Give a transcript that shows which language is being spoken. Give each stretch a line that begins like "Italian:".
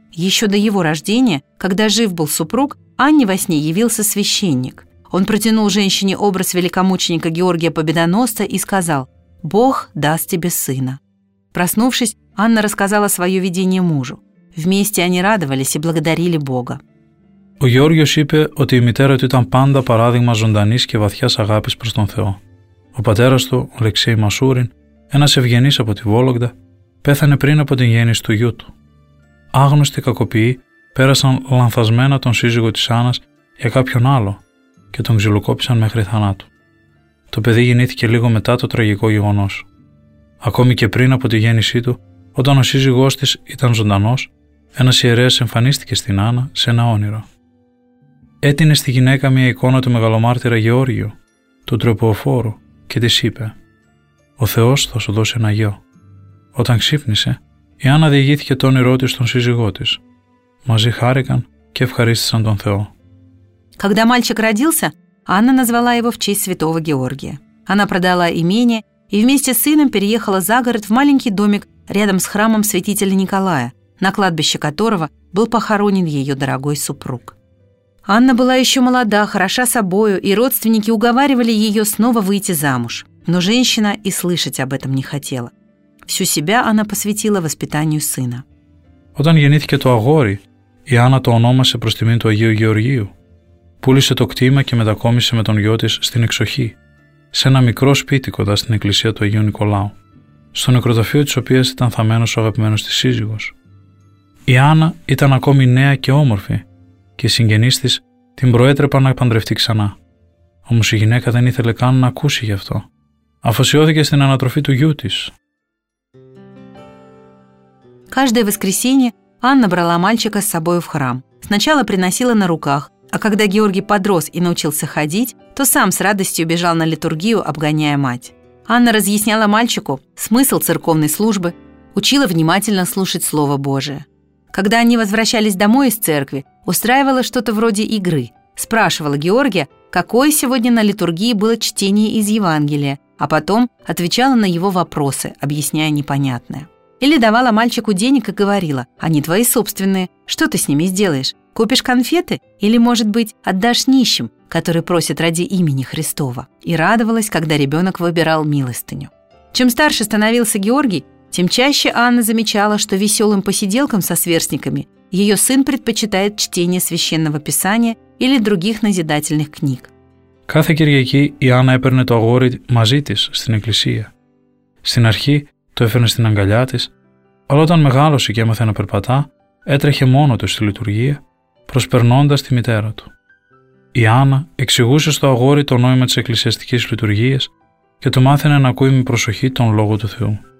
Russian: Еще до его рождения, когда жив был супруг, Анне во сне явился священник. Он протянул женщине образ великомученика Георгия Победоносца и сказал: «Бог даст тебе сына». Проснувшись, Анна рассказала свое видение мужу. Вместе они радовались и благодарили Бога.
Greek: Ο Γεώργιος είπε ότι η μητέρα του ήταν πάντα παράδειγμα ζωντανής και βαθιάς αγάπης προς τον Θεό. Ο πατέρας του, ο Αλεξέη Μασούριν, ένας ευγενής από τη Βόλογδα, πέθανε πριν από την γέννηση του γιού του. Άγνωστοι κακοποιοί πέρασαν λανθασμένα τον σύζυγο της Άννας για κάποιον άλλο και τον ξυλοκόπησαν μέχρι θανάτου. Το παιδί γεννήθηκε λίγο μετά το τραγικό γεγονός. Ακόμη και πριν από τη γέννησή του, όταν ο σύζυγός της ήταν ζωντανός, ένας ιερέας εμφανίστηκε στην Άννα σε ένα όνειρο. Έτεινε στη γυναίκα μια εικόνα του μεγαλομάρτυρα Γεώργιου, του τροποφόρου, και της είπε: «Ο Θεός θα σου δώσει ένα γιο». Όταν ξύπνησε, η Άννα διηγήθηκε το όνειρό της στον σύζυγό της. Μαζί χάρηκαν και ευχαρίστησαν τον Θεό.
Russian: Когда мальчик родился, Анна назвала его в честь святого Георгия. Она продала имение и вместе с сыном переехала за город в маленький домик рядом с храмом святителя Николая, на кладбище которого был похоронен ее дорогой супруг. Анна была еще молода, хороша собою, и родственники уговаривали ее снова выйти замуж. Но женщина и слышать об этом не хотела. Всю себя она посвятила воспитанию сына.
Greek: Όταν γεννήθηκε το αγόρι, η Άννα το ονόμασε προς τιμήν του Αγίου Γεωργίου. Πούλησε το κτήμα και μετακόμισε με τον γιο της στην εξοχή, σε ένα μικρό σπίτι κοντά στην εκκλησία του Αγίου Νικολάου, στο νεκροταφείο της οποίας ήταν θαμμένος ο αγαπημένος της σύζυγος. Η Άννα ήταν ακόμη νέα και όμορφη και οι συγγενείς της την προέτρεπαν να παντρευτεί ξανά. Όμως η γυναίκα δεν ήθελε καν να ακούσει γι' αυτό. Αφοσιώθηκε στην ανατροφή του γιού της.
Russian: Каждое воскресенье Анна брала мальчика с собой в храм. Сначала приносила на руках, а когда Георгий подрос и научился ходить, то сам с радостью бежал на литургию, обгоняя мать. Анна разъясняла мальчику смысл церковной службы, учила внимательно слушать Слово Божие. Когда они возвращались домой из церкви, устраивала что-то вроде игры. Спрашивала Георгия, какое сегодня на литургии было чтение из Евангелия, а потом отвечала на его вопросы, объясняя непонятное. Или давала мальчику денег и говорила: «Они твои собственные, что ты с ними сделаешь? Купишь конфеты или, может быть, отдашь нищим, которые просят ради имени Христова?» И радовалась, когда ребенок выбирал милостыню. Чем старше становился Георгий, тем чаще Анна замечала, что веселым посиделкам со сверстниками ее сын предпочитает чтение Священного Писания или других назидательных книг.
Greek: Кафе Кирьяки и Анна эперне то агори мази тис стин эклесия. Стин архи το έφερνε στην αγκαλιά της, αλλά όταν μεγάλωσε και έμαθε να περπατά, έτρεχε μόνο του στη λειτουργία, προσπερνώντας τη μητέρα του. Η Άννα εξηγούσε στο αγόρι το νόημα της εκκλησιαστικής λειτουργίας και του μάθαινε να ακούει με προσοχή τον Λόγο του Θεού.